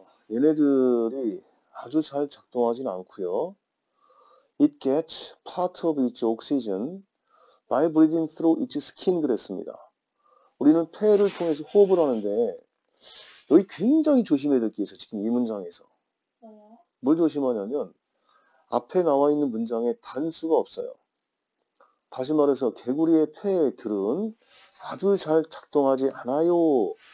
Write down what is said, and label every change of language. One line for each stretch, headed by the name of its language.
Korean: 얘네들이 아주 잘 작동하진 않고요.
English: It gets part of its oxygen by breathing through its skin,
Korean: 그랬습니다. 우리는 폐를 통해서 호흡을 하는데, 여기 굉장히 조심해야 될게 있어, 지금 이 문장에서. 뭘 조심하냐면, 앞에 나와 있는 문장에 단수가 없어요. 다시 말해서, 개구리의 폐들은 아주 잘 작동하지 않아요.